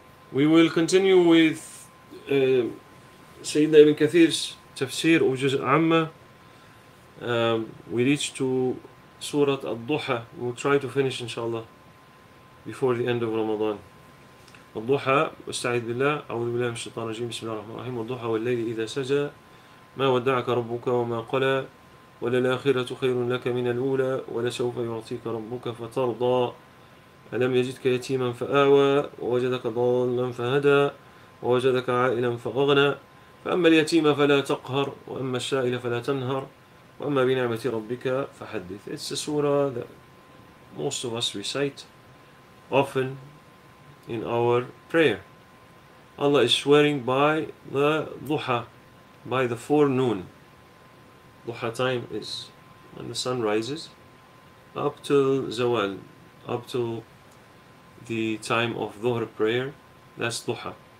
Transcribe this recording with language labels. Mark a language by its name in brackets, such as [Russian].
[English] We will continue with Sayyidina Ibn Kathir's Tafsir of Juz Amma. We reach to Surah Al-Duha. We will try to finish inshallah before the end of Ramadan. [Arabic] الضحى واستعيذ بالله أعوذ بالله من الشيطان الرجيم بسم الله الرحمن الرحيم والضحى والليل إذا سجى ما ودعك ربك وما قلى وللآخرة خير لك من الأولى ولسوف يعطيك ربك فترضى ألم يجدك يتيما فآوى ووجدك ضالا فهدى ووجدك عائلا فأغنى فأما اليتيم فلا تقهر وأما السائل فلا تنهر وأما بنعمة ربك فحدث. [English] It's a surah that most of us recite often in our prayer. Allah is swearing by the duha, by the forenoon. Duha time is when the sun rises up till zawal, up till the time of dhuhr prayer. That's duha.